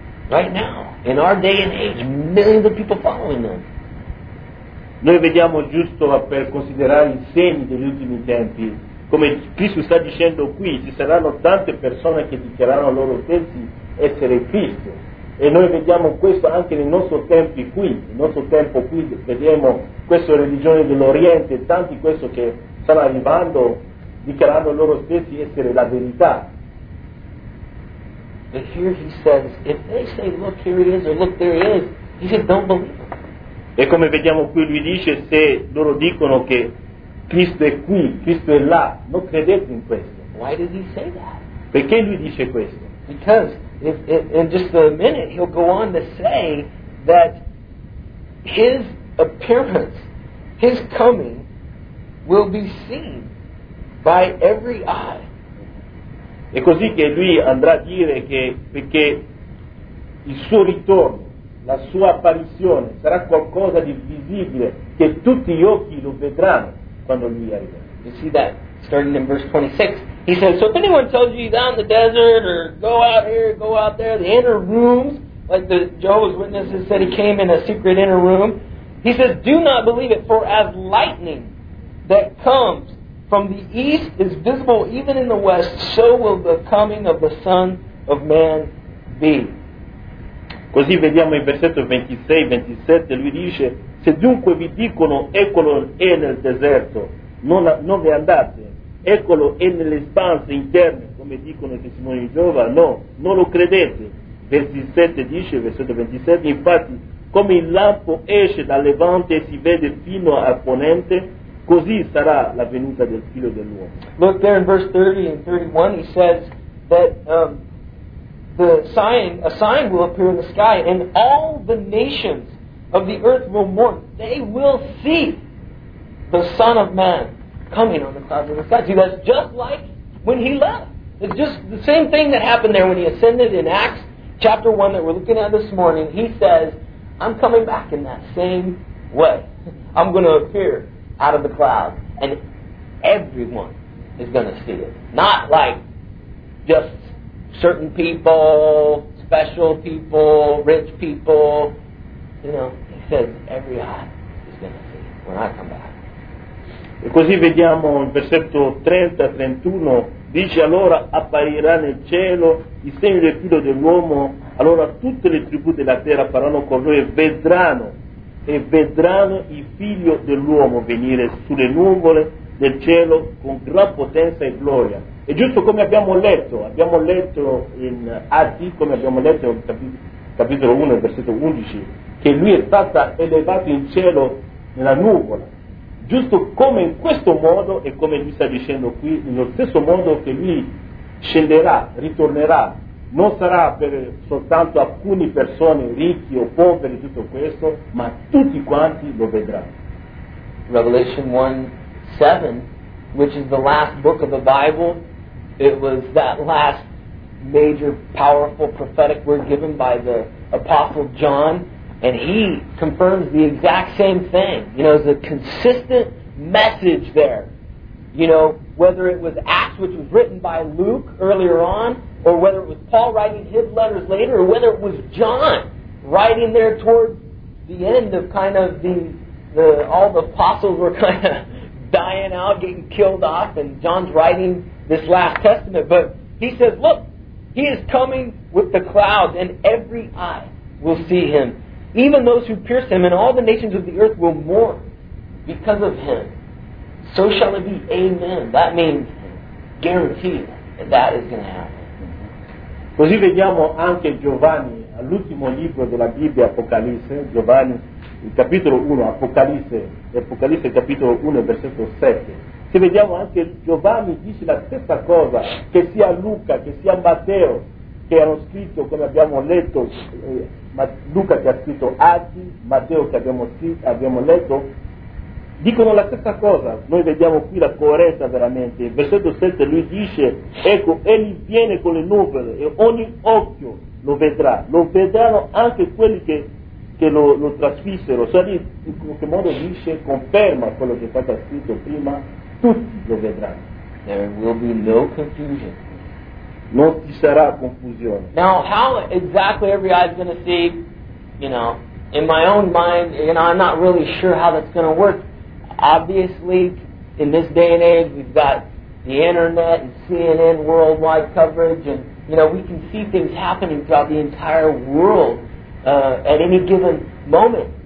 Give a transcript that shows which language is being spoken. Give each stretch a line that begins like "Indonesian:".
English: Right now, in our day and age, millions of people following them.
Italian: Noi vediamo giusto per considerare i segni degli ultimi tempi, come Cristo sta dicendo qui, ci saranno tante persone che dichiarano loro stessi essere Cristo. E noi vediamo questo anche nei nostri tempi qui, nel nostro tempo qui, vediamo questa religione dell'Oriente, tanti questo che stanno arrivando, dichiarando loro stessi essere la verità.
English: But here he says, if they say, look, here he is, or look, there he is, he says, don't believe them.
Italian: E come vediamo qui, lui dice, se loro dicono che Cristo è qui, Cristo è là, non credete in questo.
English: why does he say that?
Italian: Perché lui dice questo?
English: Because in just a minute he'll go on to say that his appearance, his coming, will be seen by every eye.
Italian: È così che lui andrà a dire che perché il suo ritorno, la sua apparizione sarà qualcosa di visibile che tutti gli occhi lo vedranno quando lui arriverà.
English: You see that starting in verse 26. He says, so if anyone tells you down the desert or go out here, go out there, the inner rooms, like the Jehovah's Witnesses said he came in a secret inner room, he says, do not believe it, for as lightning that comes from the east is visible even in the west, so will the coming of the Son of Man be.
Italian: Così vediamo il versetto 26-27, lui dice, se dunque vi dicono, eccolo è nel deserto, non ne andate, eccolo è nelle espanse interne, come dicono i testimoni di Geova, no, non lo credete. Versetto 27, infatti, come il lampo esce dal levante e si vede fino al ponente, così sarà la venuta del figlio dell'uomo.
English: Look there in verse 30 and 31, he says that a sign will appear in the sky and all the nations of the earth will mourn. They will see the Son of Man coming on the clouds of the sky. See, that's just like when he left. It's just the same thing that happened there when he ascended in Acts chapter 1 that we're looking at this morning. He says, I'm coming back in that same way. I'm going to appear out of the cloud and everyone is going to see it. Not like just certain people, special people, rich people, you know, he says every eye is going to see when I come back.
Italian: E così vediamo in versetto 30-31, dice allora apparirà nel cielo il segno del figlio dell'uomo, allora tutte le tribù della terra faranno con lui e vedranno il figlio dell'uomo venire sulle nuvole del cielo con gran potenza e gloria. E giusto come abbiamo letto in Atti, come abbiamo letto in capitolo 1, versetto 11, che lui è stato elevato in cielo nella nuvola. Giusto come in questo modo, e come lui sta dicendo qui, nello stesso modo che lui scenderà, ritornerà, non sarà per soltanto alcune persone ricche o poveri, tutto questo, ma tutti quanti lo vedranno.
English: Revelation 1:7, which is the last book of the Bible, it was that last major powerful prophetic word given by the Apostle John, and he confirms the exact same thing. You know, there's a consistent message there. You know, whether it was Acts, which was written by Luke earlier on, or whether it was Paul writing his letters later, or whether it was John writing there toward the end of kind of the all the apostles were kind of dying out, getting killed off, and John's writing this last testament. But he says, look, he is coming with the clouds, and every eye will see him. Even those who pierce him, and all the nations of the earth will mourn because of him. So shall it be. Amen. That means guaranteed that that is going to happen.
Italian: Così vediamo anche Giovanni, all'ultimo libro della Bibbia, Apocalisse, Giovanni, il capitolo 1, Apocalisse capitolo 1, versetto 7. Se vediamo anche Giovanni dice la stessa cosa, che sia Luca, che sia Matteo, che hanno scritto, come abbiamo letto, Luca che ha scritto Atti, Matteo che abbiamo letto, dicono la stessa cosa. Noi vediamo qui la coerenza veramente. Il versetto 7 lui dice, ecco, egli viene con le nuvole e ogni occhio lo vedrà. Lo vedranno anche quelli che lo trasfissero. Sai, in qualche modo dice, conferma quello che è stato scritto prima, tutti lo vedranno.
English: There will be no confusion.
Italian: Non ci sarà confusione.
English: Now, how exactly every eye is going to see, you know, in my own mind, you know, I'm not really sure how that's going to work. Obviously, in this day and age, we've got the internet and CNN worldwide coverage, and you know, we can see things happening throughout the entire world at any given moment.